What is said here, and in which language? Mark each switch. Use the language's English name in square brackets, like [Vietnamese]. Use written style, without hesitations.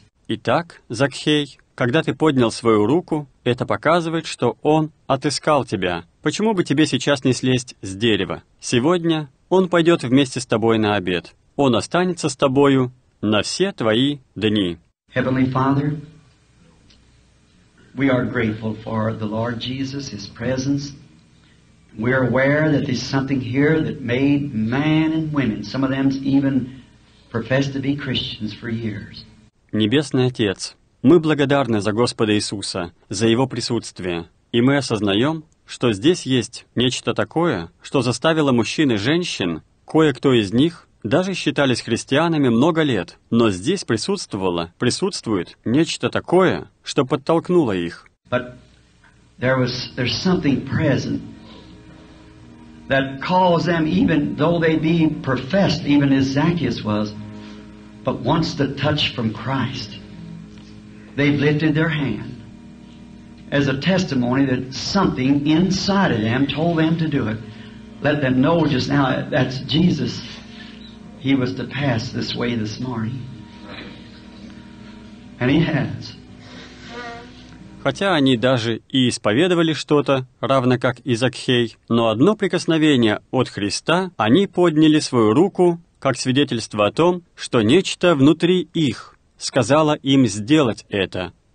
[Russian] Итак, Закхей, когда ты поднял свою руку, это показывает, что он отыскал тебя. Почему бы тебе сейчас не слезть с дерева? Сегодня он пойдет вместе с тобой на обед. Он останется с тобою на все твои дни. [English] Heavenly Father, we are grateful for the Lord Jesus, His presence. We are aware that there's something here that made men and women, some of them even professed to be Christians for years. [Russian] Небесный Отец, мы благодарны за Господа Иисуса, за Его присутствие, и мы осознаем, что здесь есть нечто такое, что заставило мужчин и женщин, кое-кто из них даже считались христианами много лет, но здесь присутствовало, присутствует нечто такое, что подтолкнуло их. [English] But there's something present that calls them, even though they be professed, even as Zacchaeus was, but wants the touch from Christ. They've lifted their hand as a testimony that something inside of them told them to do it. Let them know just now that's Jesus. He was to pass this way this morning. And He has. [Russian] Хотя они даже и исповедовали что-то, равно как и Закхей, но одно прикосновение от Христа, они подняли свою руку, как свидетельство о том, что нечто внутри их сказало им сделать это.